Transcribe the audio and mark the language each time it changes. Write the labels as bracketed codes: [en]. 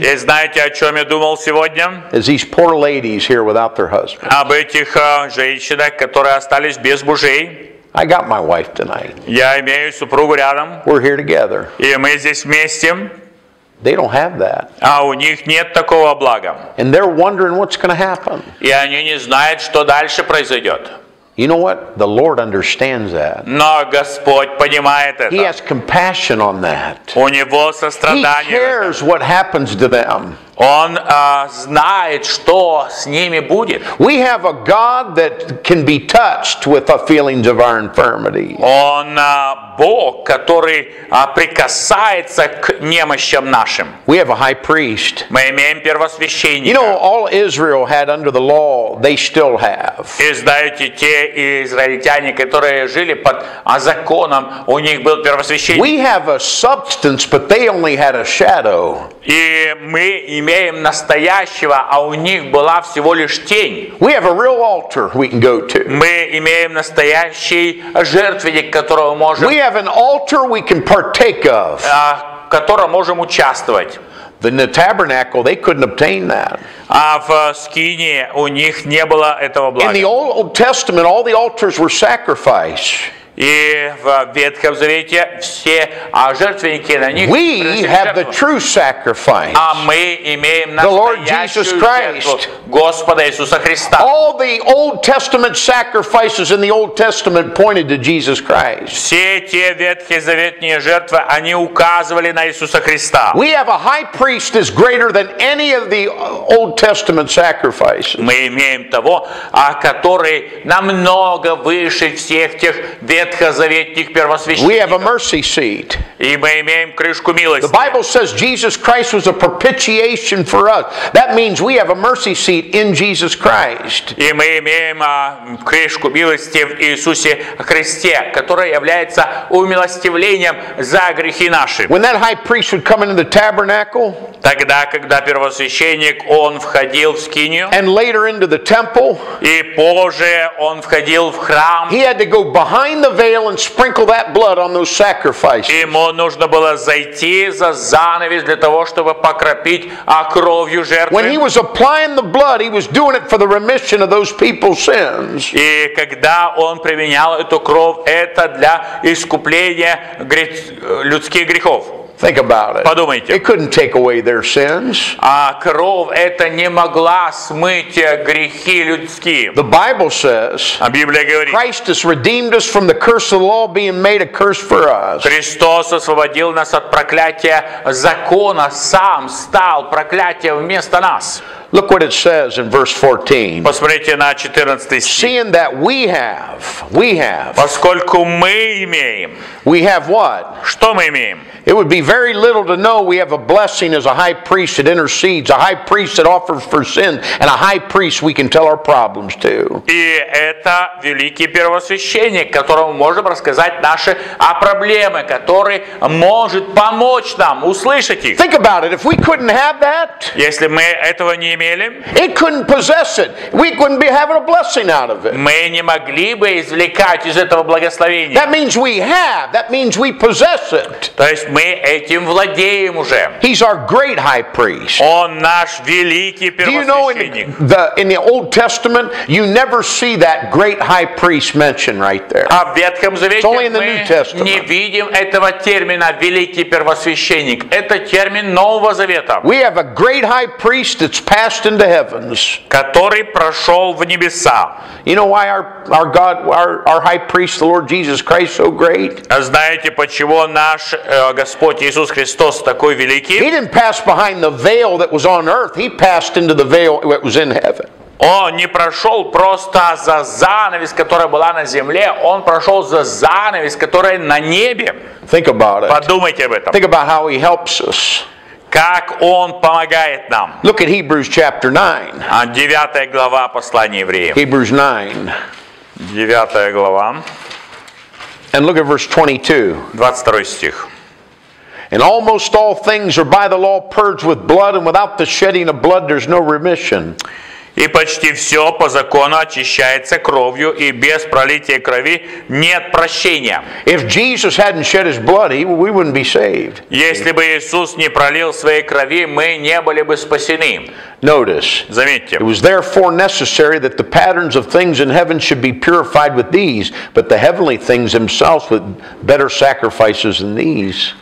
[ru] И знаете, о чем я думал сегодня? [en] Is these poor ladies here without their husbands? [ru] Об этих женщинах, которые остались без мужей. [en] I got my wife tonight. [ru] Я имею супругу рядом. [en] We're here together. [ru] И мы здесь вместе. [en] They don't have that. [ru] А у них нет такого блага. [en] And they're wondering what's going to happen. [ru] И они не знают, что дальше произойдет. [en] You know what? The Lord understands that. [ru] Но Господь понимает это. [en] He has compassion on that. [ru] У него сострадание. [en] He cares what happens to them. [ru] Он знает, что с ними будет. [en] We have a God that can be touched with the feelings of our infirmity. [ru] Он Бог, который прикасается к немощам нашим. [en] We have a high priest. [ru] Мы имеем первосвященника. [en] You know, all Israel had under the law, they still have. [ru] И знаете, те израильтяне, которые жили под законом, у них был первосвященник. [en] We have a substance, but they only had a shadow. [ru] И мы имеем настоящего, а у них была всего лишь тень. [en] We have a real altar we can go to. [ru] Мы имеем настоящий жертвенник, которого можем. [en] We have an altar we can partake of. [ru] Которого можем участвовать. [en] The tabernacle, they couldn't obtain that. [ru] А в скинии у них не было этого блага. [en] In the Old Testament, all the altars were sacrificed. [ru] И в Ветхом Завете все жертвенники на них. [en] We have the true sacrifice. [ru] А мы имеем настоящую жертву Господа Иисуса Христа. [en] All the Old Testament sacrifices in the Old Testament pointed to Jesus Christ. [ru] Все те ветхозаветные жертвы, они указывали на Иисуса Христа. [en] We have a high priest that's greater than any of the Old Testament sacrifices. [ru] Мы имеем того, который намного выше всех тех ветхозаветных первосвященников. [en] We have a mercy seat. [ru] И мы имеем крышку милости. [en] The Bible says Jesus Christ was a propitiation for us. That means we have a mercy seat in Jesus Christ. [ru] И мы имеем крышку милости в Иисусе Христе, которая является умилостивлением за грехи наши. [en] When that high priest would come into the tabernacle, [ru] тогда, когда первосвященник, он входил в скинию, [en] and later into the temple, [ru] и позже он входил в храм, [en] he had to go behind the veil and sprinkle that blood on those sacrifices. [ru] Ему нужно было зайти за занавес для того, чтобы покропить кровью жертвы. [en] When he was applying the blood, he was doing it for the remission of those people's sins. [ru] И когда он применял эту кровь, это для искупления людских грехов. [en] Think about it. [ru] Подумайте. [en] It couldn't take away their sins. [ru] А кровь это не могла смыть грехи людские. [en] The Bible says. [ru] А Библия говорит. [en] Christ has redeemed us from the curse of the law, being made a curse for us. [ru] Христос освободил нас от проклятия закона, сам стал проклятием вместо нас. [en] Look what it says in verse 14. [ru] Посмотрите на 14 стих. [en] Seeing that we have. [ru] Поскольку мы имеем. [en] We have what? [ru] Что мы имеем? [en] It would be very little to know we have a blessing as a high priest that intercedes, a high priest that offers for sin, and a high priest we can tell our problems to. [ru] И это великий первосвященник, которому можем рассказать наши проблемы, который может помочь нам услышать их. [en] Think about it. If we couldn't have that, [ru] если мы этого не имели, [en] it couldn't possess it. We couldn't be having a blessing out of it. [ru] Мы не могли бы извлекать из этого благословения. [en] That means we have. That means we possess it. [ru] Мы этим владеем уже. [en] He's our great high priest. [ru] Он наш великий первосвященник. [en] Do you know in the Old Testament you never see that great high priest mentioned right there? [ru] А в Ветхом Завете мы не видим этого термина великий первосвященник. Это термин Нового Завета. [en] We have a great high priest that's passed into heavens. [ru] Который прошел в небеса. [en] You know why our God, our high priest, the Lord Jesus Christ, so great? [ru] А знаете почему наш Господь Иисус Христос такой великий? [en] He didn't pass behind the veil that was on earth. He passed into the veil that was in heaven. [ru] Он не прошел просто за занавес, которая была на земле. Он прошел за занавес, которая на небе. [en] Think about it. [ru] Подумайте об этом. [en] Think about how he helps us. [ru] Как он помогает нам? [en] Look at Hebrews chapter 9. [ru] А 9 глава послания Евреям. [en] Hebrews 9. [ru] 9 глава. [en] And look at verse 22. [ru] 22 стих. [en] And almost all things are by the law purged with blood, and without the shedding of blood there's no remission. [ru] И почти все по закону очищается кровью, и без пролития крови нет прощения. [en] If Jesus hadn't shed his blood, we wouldn't be saved. [ru] Если бы Иисус не пролил своей крови, мы не были бы спасены. [en] Notice. [ru] Заметьте. [en] It was therefore necessary that the patterns of things in heaven should be purified with these, but the heavenly things themselves with better sacrifices than these.